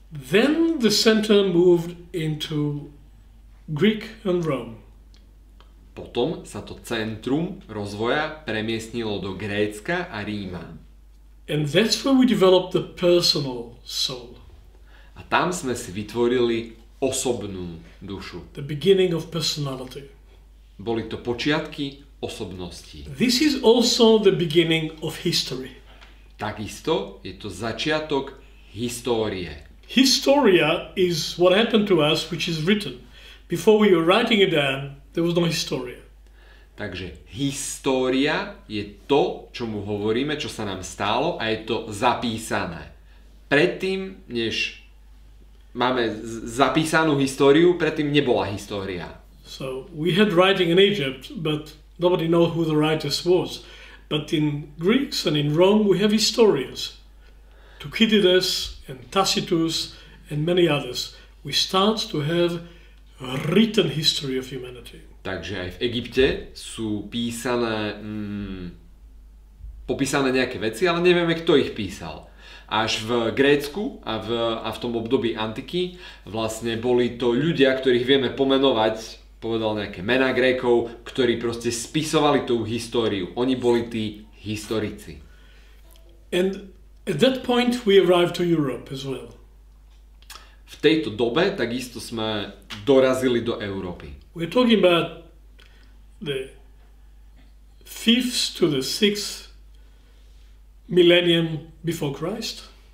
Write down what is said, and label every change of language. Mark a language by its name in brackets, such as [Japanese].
[English] Then the center moved into Greek and Rome. [Slovak] Potom sa to centrum rozvoja premiestnilo do Grécka a Ríma. [English] And that's where we developed the personal soul. [Slovak] A tam sme si vytvorili osobnú dušu. [English] The beginning of personality. [Slovak] Boli to počiatky osobnosti. [English] This is also the beginning of history. [Slovak] Takisto je to začiatok histórie. [English] Historia is what happened to us, which is written. Before we were writing it down, there was no historia. [Slovak] Takže história je to, čo mu hovoríme, čo sa nám stalo a je to zapísané. Predtým, než máme zapísanú históriu, predtým nebola história. [English] So we had writing in Egypt, but nobody knew who the writers was. But in Greeks and in Rome we have historians. Thucydides and Tacitus and many others. We start to have written history of humanity. [Slovak] Takže aj v Egypte sú písané, popísané nejaké veci, ale nevieme, kto ich písal. Až v Grécku a v tom období antiky vlastne boli to ľudia, ktorých vieme pomenovať, povedal nejaké mená Grékov, ktorí proste spisovali tú históriu. Oni boli tí historici. [English] And at that point we arrived to Europe as well. [Slovak] V tejto dobe takisto sme dorazili do Európy. [English] We're talking about the 5th to the 6th millennium before Christ.